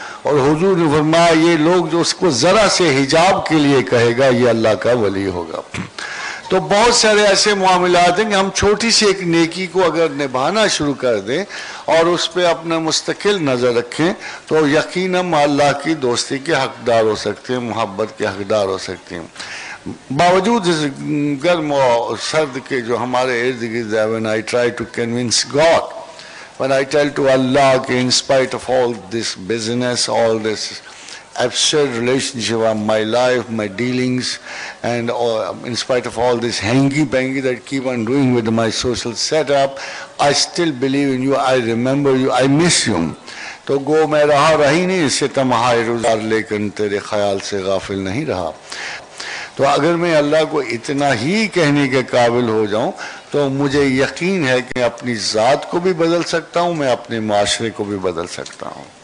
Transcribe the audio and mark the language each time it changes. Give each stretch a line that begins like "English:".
Urdu: اور حضور نے فرمایا یہ لوگ جو اس کو ذرا سے حجاب کے لیے کہے گا یہ اللہ کا ولی ہوگا. تو بہت سارے ایسے معاملات ہیں کہ ہم چھوٹی سی ایک نیکی کو اگر نبھانا شروع کر دیں اور اس پہ اپنا مستقل نظر رکھیں تو یقینا ہم اللہ کی دوستی کے حقدار ہو سکتے ہیں، محبت کے حقدار ہو سکتے ہیں. باوجود اس گرم و سرد کے جو ہمارے ارد گرد ہے،
English: when I try to convince God, when I tell to Allah کہ in spite of all this business, all this absurd relationship of my life, my dealings, and in spite of all this hangy-bangy that keep on doing with my social setup, I still believe in you, I remember you, I miss you.
Urdu: تو گو میں رہا رہی نہیں اس سے تمہائے روزار، لیکن تیرے خیال سے غافل نہیں رہا. تو اگر میں اللہ کو اتنا ہی کہنے کے قابل ہو جاؤں تو مجھے یقین ہے کہ میں اپنی ذات کو بھی بدل سکتا ہوں، میں اپنے معاشرے کو بھی بدل سکتا ہوں.